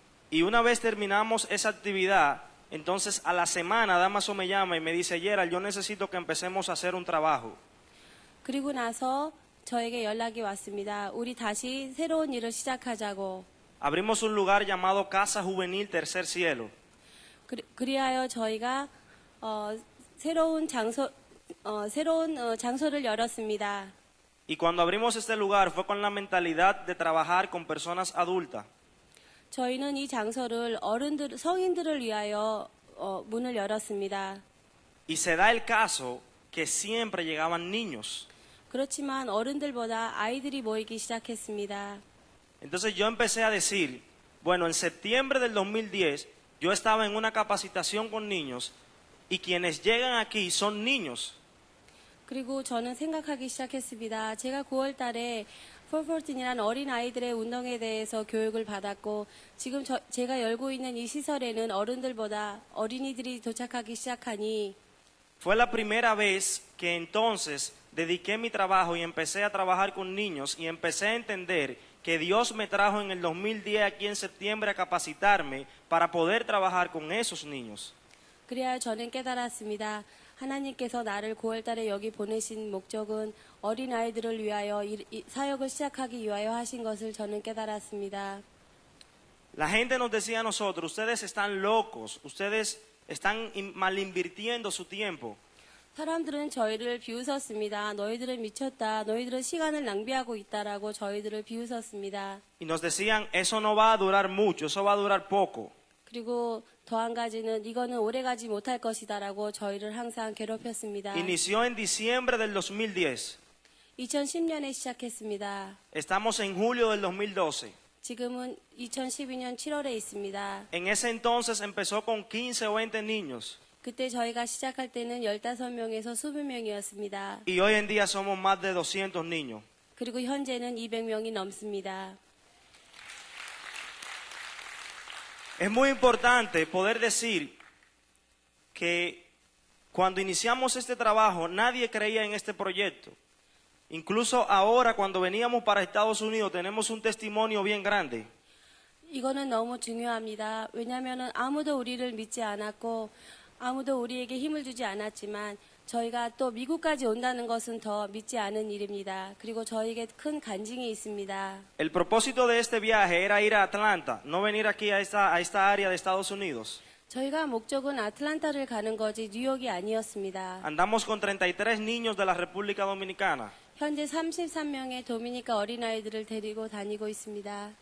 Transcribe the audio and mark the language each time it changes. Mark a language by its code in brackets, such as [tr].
[es] Y una vez terminamos esa actividad, entonces a la semana Damaso me llama y me dice, Gerald, yo necesito que empecemos a hacer un trabajo. [ko] 그리고 나서 저에게 연락이 왔습니다. 우리 다시 새로운 일을 시작하자고. [es] Abrimos un lugar llamado Casa Juvenil Tercer Cielo. [ko] 그리하여 저희가 새로운 장소를 열었습니다. [es] Y cuando abrimos este lugar fue con la mentalidad de trabajar con personas adultas. [ko] 저희는 이 장소를 어른들, 성인들을 위하여 문을 열었습니다. [es] Y se da el caso que siempre llegaban niños. [ko] 그렇지만 어른들보다 아이들이 모이기 시작했습니다. [es] Entonces yo empecé a decir, bueno, en septiembre del 2010 yo estaba en una capacitación con niños y quienes llegan aquí son niños. [ko] 그리고 저는 생각하기 시작했습니다. 제가 9월 달에 414이라는 어린 아이들의 운동에 대해서 교육을 받았고 지금 제가 열고 있는 이 시설에는 어른들보다 어린이들이 도착하기 시작하니 [es] Fue la primera vez que entonces dediqué mi trabajo y empecé a trabajar con niños y empecé a entender que Dios me trajo en el 2010 aquí en septiembre a capacitarme para poder trabajar con esos niños. [ko] 그래야 저는 깨달았습니다. 하나님께서 나를 9월 달에 여기 보내신 목적은 어린 아이들을 위하여 사역을 시작하기 위하여 하신 것을 저는 깨달았습니다. [es] La gente nos decía a nosotros, ustedes están locos, ustedes están mal invirtiendo su tiempo. [ko] 사람들은 저희를 비웃었습니다. 너희들은 미쳤다. 너희들은 시간을 낭비하고 있다라고 저희들을 비웃었습니다. [es] Y nos decían, eso no va a durar mucho, eso va a durar poco. [ko] 그리고 더 한 가지는 이거는 오래 가지 못할 것이다라고 저희를 항상 괴롭혔습니다. [es] Inició en diciembre del 2010. [ko] 2010년에 시작했습니다. [es] Estamos en julio del 2012. [ko] 지금은 2012년 7월에 있습니다. [es] En ese entonces empezó con 15 o 20 niños. [ko] 그때 저희가 시작할 때는 15명에서 수백 명이었습니다. [es] Y hoy en día somos más de 200 niños. [ko] 그리고 현재는 200명이 넘습니다. [es] Es muy importante poder decir que cuando iniciamos este trabajo nadie creía en este proyecto. Incluso ahora cuando veníamos para Estados Unidos tenemos un testimonio bien grande. [ko] 이거는 너무 중요합니다. 왜냐하면 아무도 우리를 믿지 않았고 아무도 우리에게 힘을 주지 않았지만 저희가 또 미국까지 온다는 것은 더 믿지 않은 일입니다. 그리고 저희에게 큰 간증이 있습니다. [es] El propósito de este viaje era ir a Atlanta, no venir aquí a esta área de Estados Unidos. [ko] 저희가 목적은 아틀란타를 가는 거지 뉴욕이 아니었습니다. [es] Andamos con 33 niños de la República Dominicana. [ko] 현재 33명의 도미니카 어린아이들을 데리고 다니고 있습니다.